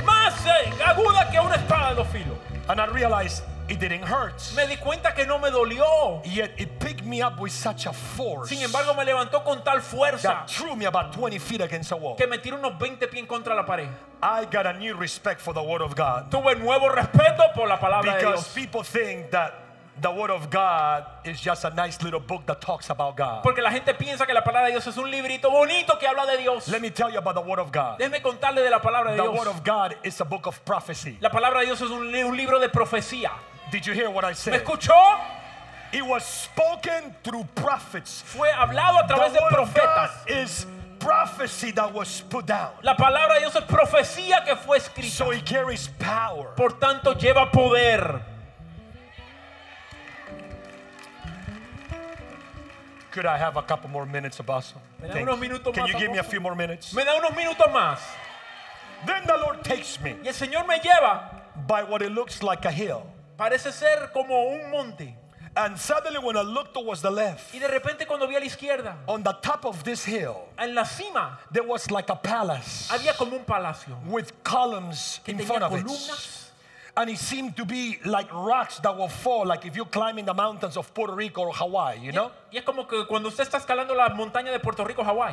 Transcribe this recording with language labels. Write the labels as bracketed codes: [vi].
[es] Más aguda que una espada de dos filos. [en] And I realized it didn't hurt. [es] Me di cuenta que no me dolió. [en] Yet it picked me up with such a force. [es] Sin embargo, me levantó con tal fuerza. [en] That threw me about 20 feet against the wall. [es] Que me tiró unos 20 pies contra la pared. [en] I got a new respect for the word of God. [es] Tuve nuevo respeto por la palabra de Dios. [en] Because people think that the word of God is just a nice little book that talks about God. [es] Porque la gente piensa que la palabra de Dios es un librito bonito que habla de Dios. [en] Let me tell you about the word of God. [es] Déjeme contarle de la palabra de Dios. [en] The word of God is a book of prophecy. [es] La palabra de Dios es un libro de profecía. [en] Did you hear what I said? [es] ¿Me escuchó? [en] It was spoken through prophets. [es] Fue hablado a través de profetas. [en] The word of God is prophecy that was put down. [es] La palabra de Dios es profecía que fue escrita. [en] So it carries power. [es] Por tanto, lleva poder. [en] Could I have a couple more minutes, Apostle? Thanks. [es] Unos minutos más. [en] Can you give me a few more minutes? [es] Me da unos minutos más. [en] Then the Lord takes me. [es] Y el Señor me lleva. [en] By what it looks like a hill. [es] Parece ser como un monte. [en] And suddenly when I looked towards the left. [es] Y de repente cuando vi a la izquierda. [en] On the top of this hill. [es] En la cima. [en] There was like a palace. [es] Había como un palacio. [en] With columns in front of it. And it seemed to be like rocks that will fall, like if you're climbing the mountains of Puerto Rico or Hawaii, you know? [es] Y es como que cuando usted está escalando la montaña de Puerto Rico, Hawaii.